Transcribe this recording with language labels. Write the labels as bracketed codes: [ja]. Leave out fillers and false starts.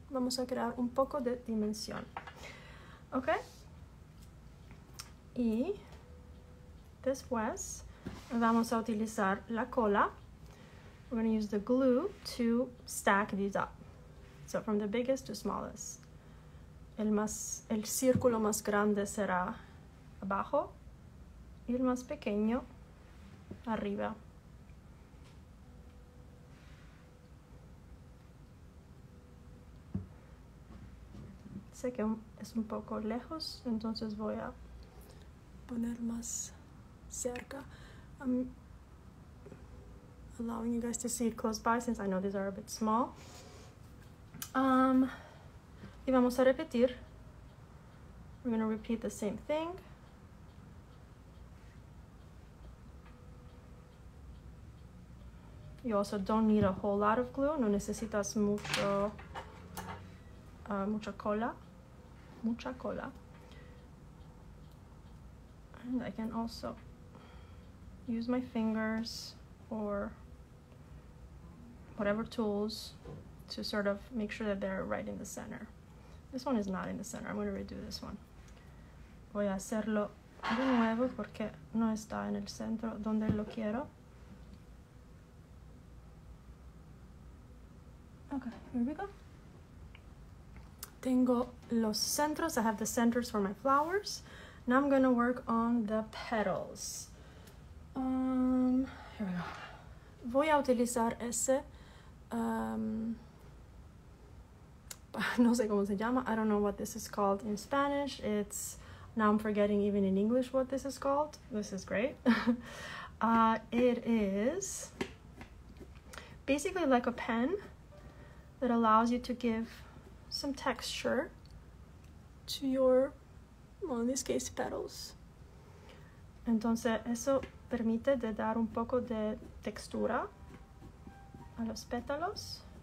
[es] Vamos a crear un poco de dimensión. Okay? Y después vamos a utilizar la cola. [en] We're going to use the glue to stack these up. So from the biggest to smallest. [es] El círculo más grande será abajo y el más pequeño arriba. Sé que es un poco lejos, entonces voy a poner más cerca. [en] I'm allowing you guys to see it close by since I know these are a bit small. [es] Y vamos a repetir. [en] We're going to repeat the same thing. You also don't need a whole lot of glue. [es] No necesitas mucho, mucha cola. Mucha cola. [en] And I can also use my fingers or whatever tools to sort of make sure that they're right in the center. This one is not in the center. I'm going to redo this one. [es] Voy a hacerlo de nuevo porque no está en el centro donde lo quiero. [en] Okay, here we go. [es] Tengo los centros. [en] I have the centers for my flowers. Now I'm going to work on the petals. Here we go. [es] Voy a utilizar ese... no sé cómo se llama. [en] I don't know what this is called in Spanish. It's... Now I'm forgetting even in English what this is called. This is great. it is basically like a pen that allows you to give some texture to your, well, in this case, petals. [es] Entonces, eso permite de dar un poco de textura a los pétalos.